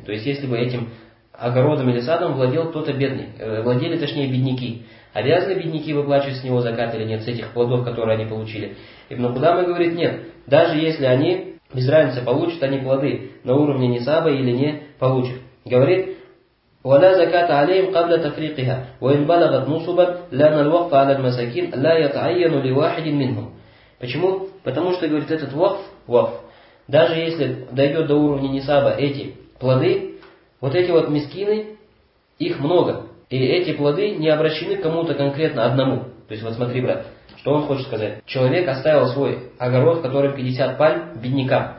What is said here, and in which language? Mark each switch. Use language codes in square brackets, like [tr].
[ru] То есть если бы этим огородом или садом владел кто-то бедный, владели точнее бедняки. Обязаны бедняки выплачивать с него закат или нет, с этих плодов, которые они получили? Ибн Кудама говорит, нет, даже если они, без разницы, получат они плоды на уровне нисаба или не получат. [ar] Говорит, ولا زكاة عليهم قبل تفريقها وإن بلغت نصبا لأن الوقف على المساكين لا يتعين لواحد منهم. [ru] Почему? Потому что, говорит, этот вакф, даже если дойдет до уровня нисаба эти плоды, вот эти вот мискины, их много. И эти плоды не обращены кому-то конкретно одному. То есть вот смотри, брат, что он хочет сказать. Человек оставил свой огород, в котором 50 пальм, беднякам.